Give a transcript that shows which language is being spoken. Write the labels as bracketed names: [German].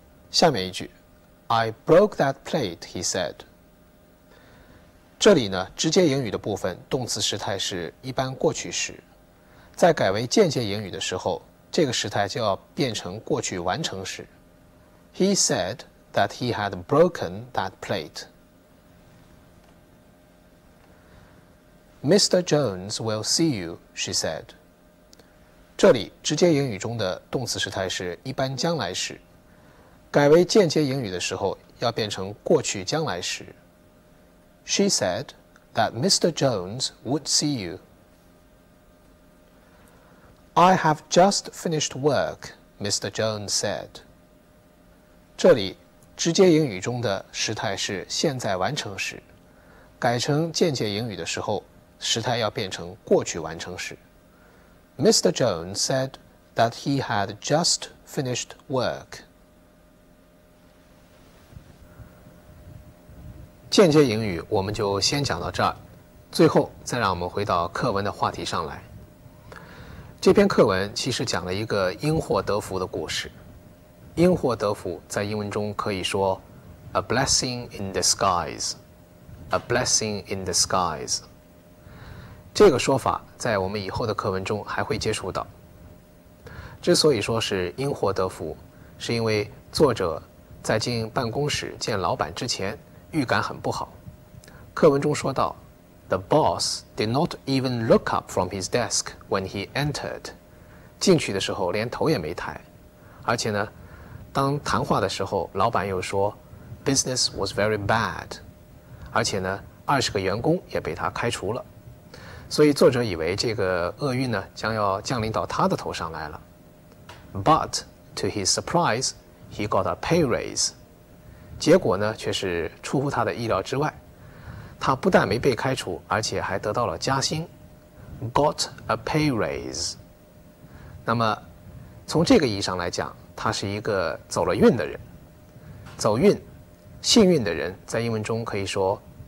[Chinese] 下面一句。 [English] I broke that plate, he said. [Chinese] 这里呢，直接引语的部分动词时态是一般过去时，在改为间接引语的时候，这个时态就要变成过去完成时。 [English] He said that he had broken that plate. Mr. Jones will see you, she said. [Chinese] 这里直接引语中的动词时态是一般将来时，改为间接引语的时候要变成过去将来时。 [English] She said that Mr. Jones would see you. I have just finished work, Mr. Jones said. [Chinese] 这里直接引语中的时态是现在完成时，改成间接引语的时候时态要变成过去完成时。 [English] Mr. Jones said that he had just finished work. [Chinese] 间接引语我们就先讲到这儿，最后再让我们回到课文的话题上来。这篇课文其实讲了一个因祸得福的故事。因祸得福在英文中可以说 [English] A blessing in disguise, [Chinese] A blessing in disguise。这个说法在我们以后的课文中还会接触到。之所以说是因祸得福，是因为作者在进办公室见老板之前预感很不好。课文中说到 [English] The boss did not even look up from his desk when he entered. [Chinese] 进去的时候连头也没抬。而且呢，当谈话的时候，老板又说 [English] Business was very bad. [Chinese] 而且呢，20个员工也被他开除了。所以作者以为这个厄运呢，将要降临到他的头上来了。 [English] But to his surprise, he got a pay raise. [Chinese] 结果呢，却是出乎他的意料之外。他不但没被开除，而且还得到了加薪 [English] ，got a pay raise。 [Chinese] 那么，从这个意义上来讲，他是一个走了运的人。走运，幸运的人，在英文中可以说